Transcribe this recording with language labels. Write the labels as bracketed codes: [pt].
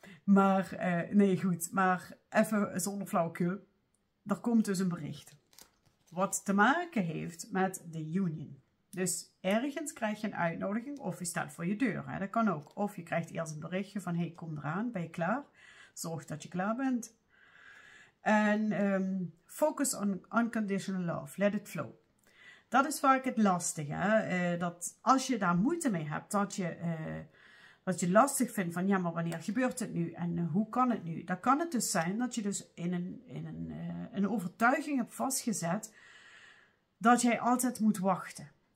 [nl] Maar nee goed, maar even zonder flauwekul. Er komt dus een bericht. Wat te maken heeft met de union. Dus ergens krijg je een uitnodiging of je staat voor je deur. Hè? Dat kan ook. Of je krijgt eerst een berichtje van, hey, kom eraan, ben je klaar? Zorg dat je klaar bent. [en] En focus on unconditional love, let it flow. [nl] Dat is vaak het lastige. Hè? Dat als je daar moeite mee hebt, dat je lastig vindt van, ja, maar wanneer gebeurt het nu? En hoe kan het nu? Dan kan het dus zijn dat je dus in een overtuiging hebt vastgezet dat jij altijd moet wachten.